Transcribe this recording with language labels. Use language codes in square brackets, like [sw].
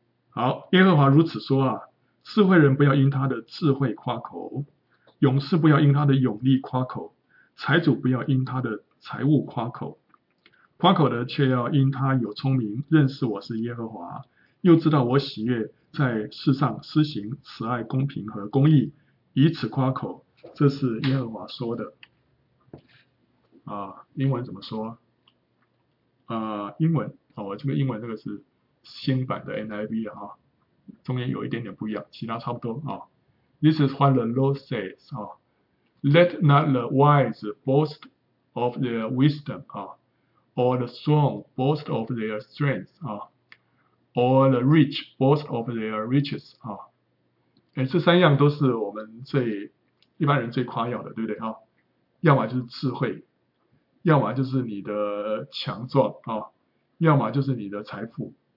[zh] 好，耶和华如此说啊，智慧人不要因他的智慧夸口，勇士不要因他的勇力夸口，财主不要因他的财物夸口，夸口的却要因他有聪明，认识我是耶和华，又知道我喜悦在世上施行慈爱、公平和公义，以此夸口，这是耶和华说的。英文怎么说？英文我这个英文这个是新版的 NIV 啊，中间有一点点不一样，其他差不多啊。 [en] This is what the Lord says 啊 ，Let not the wise boast of their wisdom 啊 ，or the strong boast of their strength 啊 ，or the rich boast of their riches 啊。 [zh] 这三样都是我们最一般人最夸耀的，对不对啊？要么就是智慧，要么就是你的强壮啊，要么就是你的财富。